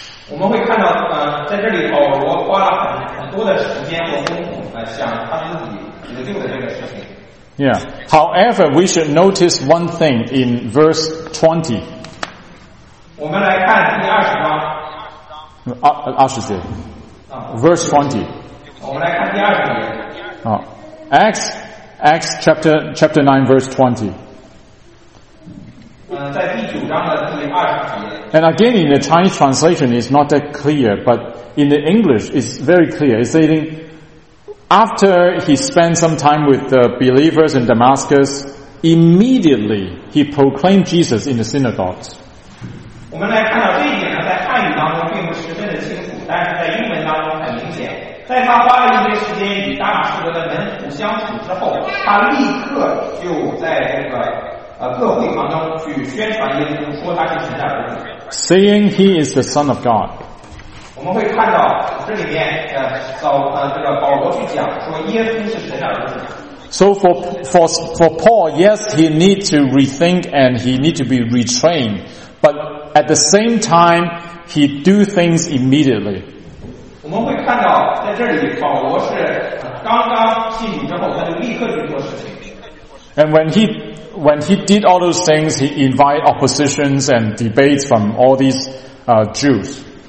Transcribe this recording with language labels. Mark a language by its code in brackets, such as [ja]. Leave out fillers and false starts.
[zh] 我们会看到，在这里保罗花了很多的时间和功夫来想他自己得救的这个事情。 [en] Yeah. However, we should notice one thing in verse 20. [zh] 我们来看第二十章。 20节。 [en] Verse 20. [zh] 我们来看第二十节。 [en] Acts chapter 9 verse 20. [zh] 在第九章的第二十节。 [en] And again, in the Chinese translation, it's not that clear, but in the English, it's very clear. It's saying, after he spent some time with the believers in Damascus, immediately he proclaimed Jesus in the synagogues. [zh] 我们来看到这一点呢，在汉语当中并不十分的清楚，但是在英文当中很明显。在他花了一些时间与大马士革的门徒相处之后，他立刻就在这个各会堂中去宣传耶稣，说他是神的儿子。 [en] Saying he is the Son of God. [zh] 我们会看到这里面这个保罗去讲说耶稣是神的儿子。 [en] So for Paul, yes, he need to rethink and he need to be retrained, but at the same time, he do things immediately. [zh] 我们会看到在这里保罗是刚刚信主之后，他就立刻就做事情。 [en] And when he did all those things, he invited oppositions and debates from all these Jews.